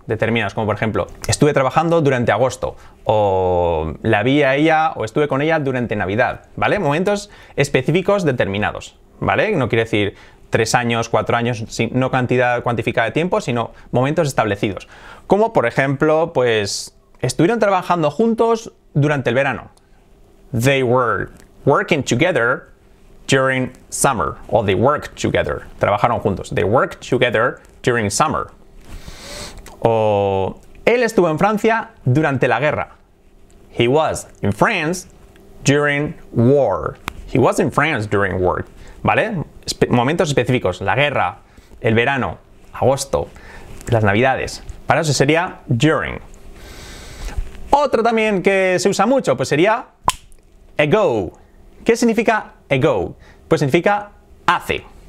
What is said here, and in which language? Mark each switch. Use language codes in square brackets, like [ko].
[es] determinadas, como por ejemplo, estuve trabajando durante agosto, o la vi a ella, o estuve con ella durante Navidad, ¿vale? Momentos específicos determinados, ¿vale? No quiere decir 3 años, 4 años, no cantidad cuantificada de tiempo, sino momentos establecidos. Como por ejemplo, pues, estuvieron trabajando juntos durante el verano. [en] They were working together during summer, or they worked together. [es] Trabajaron juntos. [en] They worked together during summer. [es] O él estuvo en Francia durante la guerra. [en] He was in France during war. He was in France during war. [es] ¿Vale? Momentos específicos. La guerra, el verano, agosto, las navidades. Para eso sería during. Otro también que se usa mucho, pues sería ago. ¿Qué significa ago? Pues significa hace.